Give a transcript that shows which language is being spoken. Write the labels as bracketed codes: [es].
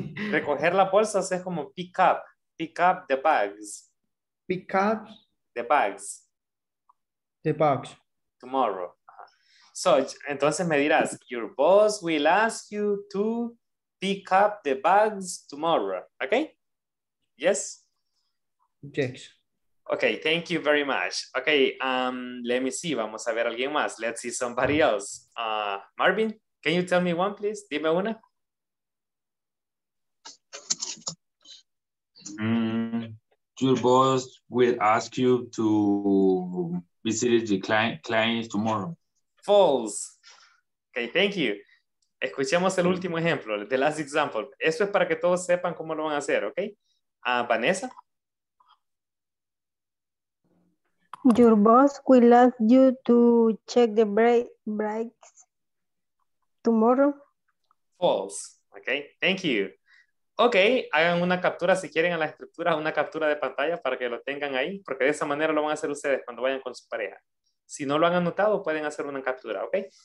[es] Recoger las bolsas es como [en] pick up the bags. Pick up the bags. The bags. Tomorrow. So, [es] entonces me dirás, [en] your boss will ask you to pick up the bags tomorrow, okay? Yes? Yes. Okay, thank you very much. Okay, let me see, [es] vamos a ver a alguien más. [en] Let's see somebody else. Marvin, can you tell me one, please? [es] Dime una. [en] Your boss will ask you to visit the clients tomorrow. False. Okay, thank you. [es] Escuchemos el último ejemplo, [en] the last example. [es] Esto es para que todos sepan cómo lo van a hacer, ¿ok? Vanessa. [en] Your boss will ask you to check the brakes tomorrow. False. Okay, thank you. [es] Okay, hagan una captura si quieren a las estructuras, una captura de pantalla para que lo tengan ahí, porque de esa manera lo van a hacer ustedes cuando vayan con su pareja. Si no lo han anotado, pueden hacer una captura, okay?